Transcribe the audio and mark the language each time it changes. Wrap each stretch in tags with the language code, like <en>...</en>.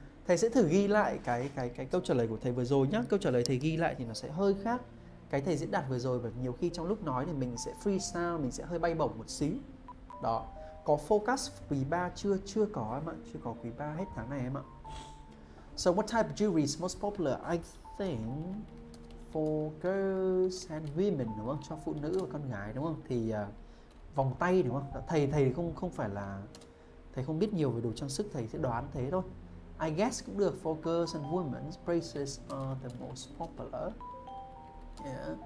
<vi>Thầy sẽ thử ghi lại cái câu trả lời của thầy vừa rồi nhá. Câu trả lời thầy ghi lại thì nó sẽ hơi khác cái thầy diễn đạt vừa rồi, bởi nhiều khi trong lúc nói thì mình sẽ freestyle, mình sẽ hơi bay bổng một xíu. Đó, có focus quý 3 chưa? Chưa có em ạ, chưa có quý 3 hết tháng này em ạ.</vi> <en>So what type of jewelry is most popular? I think for girls and women</en> <vi>đúng không? Cho phụ nữ và con gái đúng không? Thì vòng tay đúng không? Thầy không phải là thầy không biết nhiều về đồ trang sức, thầy sẽ đoán thế thôi.</vi> <en>I guess</en> <vi>cũng được,</vi> <en>for girls and women's bracelets are the most popular. Yeah.</en>